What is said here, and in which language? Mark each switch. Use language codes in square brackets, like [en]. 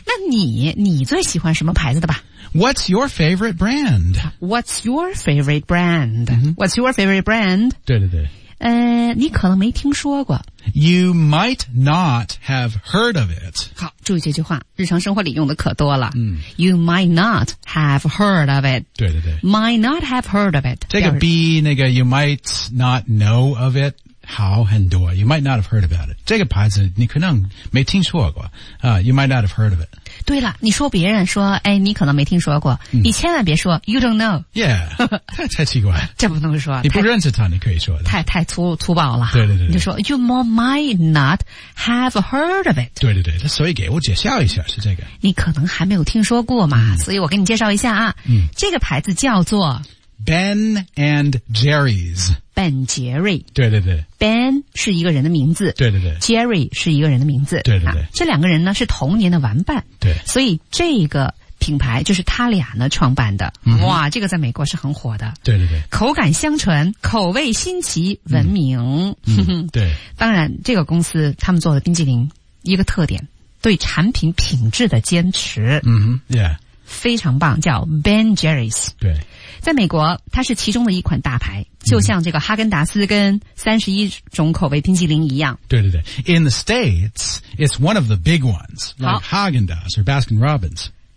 [zh] 那你最喜欢什么牌子的吧？ [en] What's your favorite brand? What's your favorite brand?、Mm-hmm. What's your favorite brand? [zh] 对对对，你可能没听说过。 [en] You might not have heard of it. [zh] 好，注意这句话，日常生活里用的可多了。 [en] 嗯、you might not have heard of it. [zh] 对对对。 [en] Might not have heard of it. [zh] 这个 B 那个 [en] you might not know of it [zh] 好很多。 [en] You might not have heard about it. [zh] 这个牌子你可能没听说过。 [en] You might not have heard of it. [zh] 对了，你说别人说，哎，你可能没听说过，嗯、你千万别说 [en] you don't know. [zh] Yeah. 太奇怪了，这不能说，你不认识他你可以说的，太粗暴了。对对 对, 对，你就说 [en] You might not have heard of it. [zh] 对对对，所以给我介绍一下，是这个你可能还没有听说过嘛、嗯、所以我给你介绍一下啊、嗯、这个牌子叫做 [en] Ben and Jerry's. [zh] Ben 杰瑞，对对对， Ben 是一个人的名字，对对对， Jerry 是一个人的名字，对对对、啊、这两个人呢是同年的玩伴，对，所以这个品牌就是他俩呢创办的、嗯、哇，这个在美国是很火的，对对对，口感相传，口味新奇，闻名、嗯嗯、对，当然这个公司他们做的冰激凌一个特点，对产品品质的坚持，嗯哼 yeah 非常棒，叫 Ben Jerry's。对，在美国它是其中的一款大牌，就像这个哈根达斯跟31种口味冰激凌一样，对对对， [en] In the States it's one of the big ones like Haagen-Dazs or Baskin-Robbins.